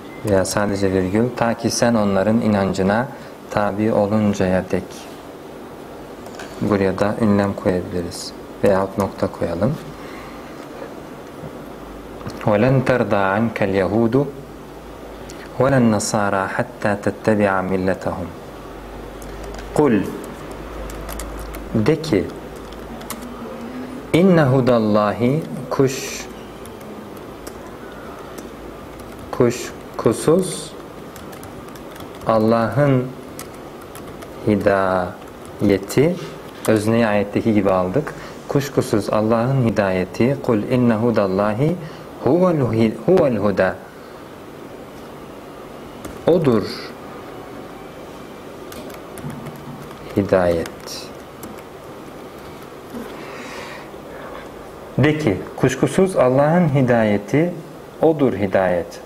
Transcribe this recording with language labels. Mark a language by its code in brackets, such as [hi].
[tr] Ya sadece virgül, ta ki sen onların inancına tabi oluncaya dek. Buraya da ünlem koyabiliriz veya nokta koyalım. [ar] وَلَنْ تَرْضَى عَنْكَ الْيَهُودُ وَلَنْ نَصَارَى حَتَّى تَتَّبِعَ مِلَّتَهُمْ قُلْ [tr] De ki [ar] اِنَّ هُدَى اللّٰهِ [tr] kuşkusuz Allah'ın hidayeti, özneyi ayetteki gibi aldık, kuşkusuz Allah'ın hidayeti, [ar] قُلْ اِنَّ هُدَى اللّٰهِ هُوَ الْهُدَى [tr] O'dur hidayet. De ki, kuşkusuz Allah'ın hidayeti O'dur hidayet.